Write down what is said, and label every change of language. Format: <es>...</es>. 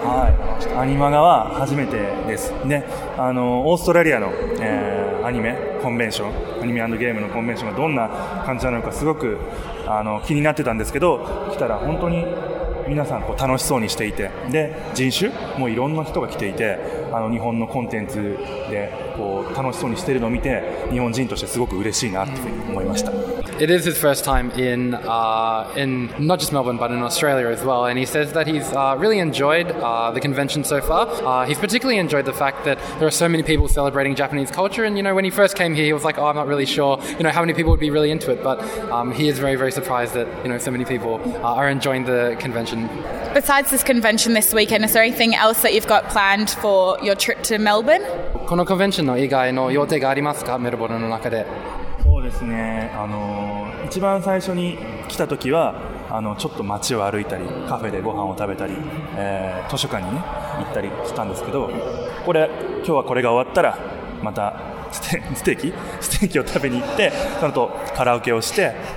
<ja>はい、アニマガは初めてです、ね、あのオーストラリアの、アニメコンベンションアニメ&ゲームのコンベンションがどんな感じなのかすごくあの気になってたんですけど来たら本当に皆さんこう楽しそうにしていてで人種もいろんな人が来ていてあの日本のコンテンツでこう楽しそうにしているのを見て日本人としてすごく嬉しいなと思いました。</ja> <en>It is his first time in not just Melbourne but in Australia as well, and he says that he's really enjoyed the convention so far. He's particularly enjoyed the fact that there are so many people celebrating Japanese culture, and you know when he first came here he was like, oh, I'm not really sure, you know, how many people would be really into it, but he is very very surprised that you know so many people are enjoying the convention. Besides this convention this weekend, is there anything else that you've got planned for your trip to Melbourne?</en> <ja>このコンベンションの以外の予定がありますか、メルボルンの中で。ですね、一番最初に来た時はあのちょっと街を歩いたりカフェでご飯を食べたり、図書館に、ね、行ったりしたんですけどこれ今日はこれが終わったらまたステーキを食べに行ってその後カラオケをして</ja>